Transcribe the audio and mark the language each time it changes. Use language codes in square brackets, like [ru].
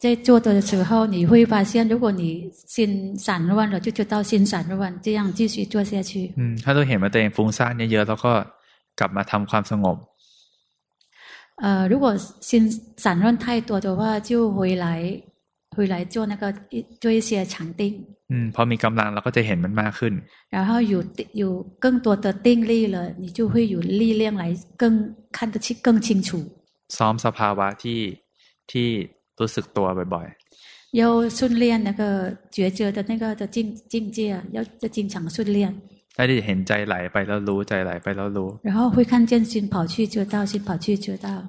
[zh] 在做的时候你会发现如果你心散乱了就知道心散乱这样继续做下去 [th] ถ้าเราเห็นว่าตัวเองฟุ้งซ่านเยอะๆแล้วก็กลับมาทำความสงบ [zh] 如果心散乱太多的话就回来做那个做一些禅定 [th] พอมีกำลังเราก็จะเห็นมันมากขึ้น [zh] 然后有更多的定力了你就会有力量来更看得清更清楚 [th] ซ้อมสภาวะที่รู้สึกตัวบ่อย [zh] ๆ要训练那个觉知的那个的境界要经常训练 [th] ได้ที่เห็นใจไหลไปแล้วรู้ใจไหลไปแล้วรู้ [zh] 然后会看见心跑去知道心跑去知道